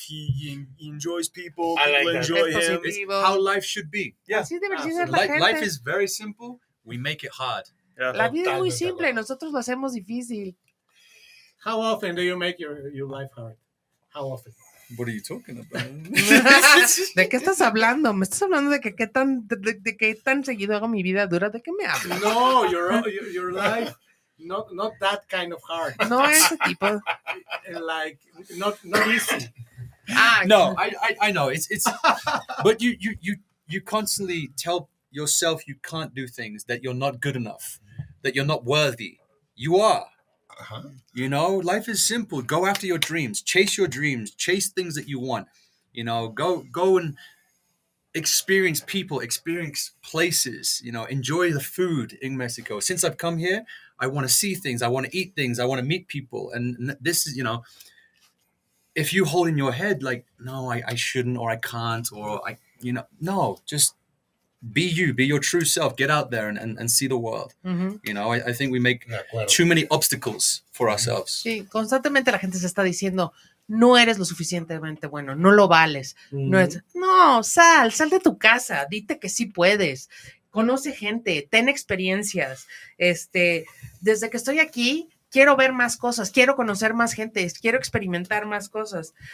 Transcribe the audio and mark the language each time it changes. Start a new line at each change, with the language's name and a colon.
English: He enjoys people. I like people enjoy that. Him. It's how life should be. Yeah. Life is very simple. We make it hard.
Spanish: Yeah. La vida es muy simple. Nosotros lo hacemos difícil.
English: How often do you make your life hard? How often? What are you talking about?
Spanish: ¿De qué estás hablando? ¿Me estás hablando de que qué tan seguido hago mi vida dura? ¿De qué me hablas?
English: No, your life, not that kind of hard.
Spanish: No ese tipo.
English: Like, not easy. No, I know. It's but you constantly tell yourself you can't do things, that you're not good enough, that you're not worthy. You are. Uh-huh. You know, life is simple. Go after your dreams. Chase your dreams. Chase things that you want. You know, go and experience people, experience places. You know, enjoy the food in Mexico. Since I've come here, I want to see things. I want to eat things. I want to meet people. And this is, you know, if you hold in your head like, no, I shouldn't, or I can't, or I, you know, no, just be you, be your true self, get out there and see the world. Mm-hmm. You know, I think we make too many obstacles for ourselves.
Spanish: Sí, constantemente la gente se está diciendo, no eres lo suficientemente bueno, no lo vales. Mm-hmm. No, es, no, sal de tu casa, dite que sí puedes, conoce gente, ten experiencias. Desde que estoy aquí, quiero ver más cosas, quiero conocer más gente, quiero experimentar más cosas.